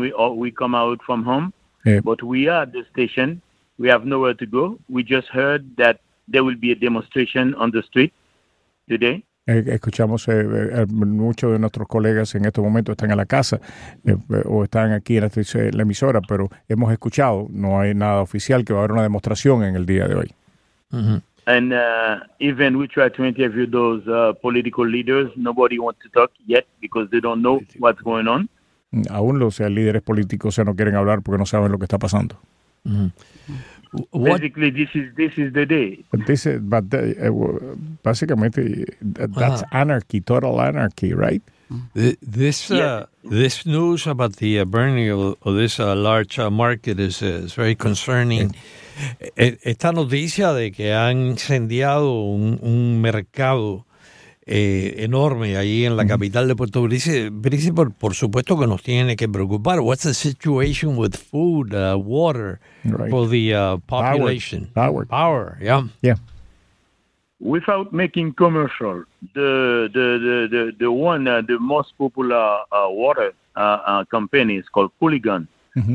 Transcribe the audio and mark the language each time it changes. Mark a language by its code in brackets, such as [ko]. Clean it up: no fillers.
[en] We come out from home, but we are at the station. We have nowhere to go. We just heard that there will be a demonstration on the street today. [es] Escuchamos muchos de nuestros colegas en este momento están en la casa o están aquí en la emisora, pero hemos escuchado, no hay nada oficial, que va a haber una demostración en el día de hoy. [en] And even we try to interview those political leaders, nobody wants to talk yet because they don't know what's going on. [es] Aún los líderes políticos no quieren hablar porque no saben lo que está pasando. [en] Basically, this is the day. That's anarchy, total anarchy, right? This news about the burning of this large market is very concerning. [es] Esta noticia de que han incendiado un mercado enorme ahí en la capital de Puerto Príncipe, por supuesto que nos tiene que preocupar. [en] What's the situation with food, water, for the population? Power. Yeah. Without making commercial, the most popular water company is called Hooligan. Mm-hmm.